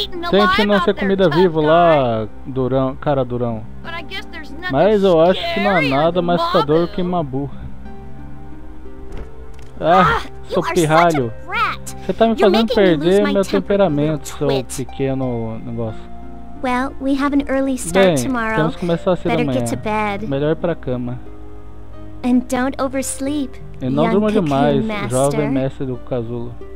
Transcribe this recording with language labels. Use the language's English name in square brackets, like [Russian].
[Portuguese] Tente não ser comida viva lá, durão, cara durão. Mas eu acho que não há nada mais assustador que Mabu. Ah, sou pirralho. Você tá me fazendo perder meu temperamento, seu pequeno negócio. [English] Well, we have an early start tomorrow. [Portuguese] Temos que começar cedo amanhã. Melhor ir pra cama. [English] And don't oversleep, [Portuguese] e não durma demais, jovem mestre do casulo.